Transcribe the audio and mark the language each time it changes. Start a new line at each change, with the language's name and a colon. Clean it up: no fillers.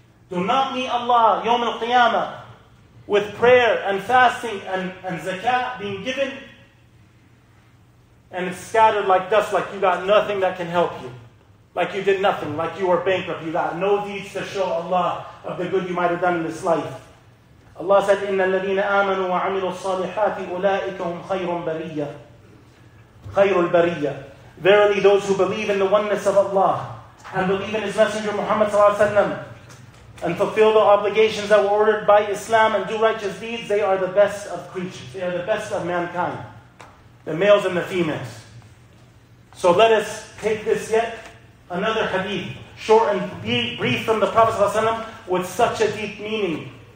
English: Do not meet Allah, Yawm al-Qiyamah, with prayer and fasting and zakat being given, and it's scattered like dust, like you got nothing that can help you. Like you did nothing, like you were bankrupt. You got no deeds to show Allah of the good you might have done in this life. Allah said,
Arabic: إِنَّ الَّذِينَ آمَنُوا وَعَمِلُوا الصَّالِحَاتِ أُولَٰئِكَ هُمْ خَيْرٌ بَرِيَّةٌ خَيْرُ الْبَرِيَّةِ.
English: Verily those who believe in the oneness of Allah and believe in His Messenger Muhammad
Arabic: sallallahu alaihi wasallam,
English: and fulfill the obligations that were ordered by Islam and do righteous deeds, they are the best of creatures. They are the best of mankind. The males and the females. So let us take this yet another hadith, short and brief from the Prophet ﷺ, with such a deep meaning.